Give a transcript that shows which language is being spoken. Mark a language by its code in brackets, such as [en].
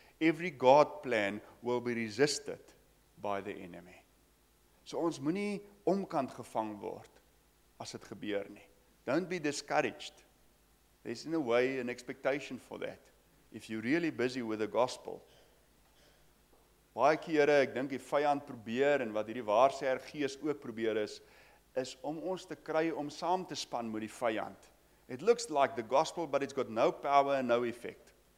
[en] Every God plan will be resisted by the enemy. [af] So ons moenie omkant gevang word as dit gebeur nie. [en] Don't be discouraged. There's in a way an expectation for that. If you're really busy with the gospel. [af] Baie kere, ek dink die vyand probeer en wat hierdie waarsêer gees ook probeer is om ons te kry om saam te span met die vyand. [en] It looks like the gospel but it's got no power and no effect.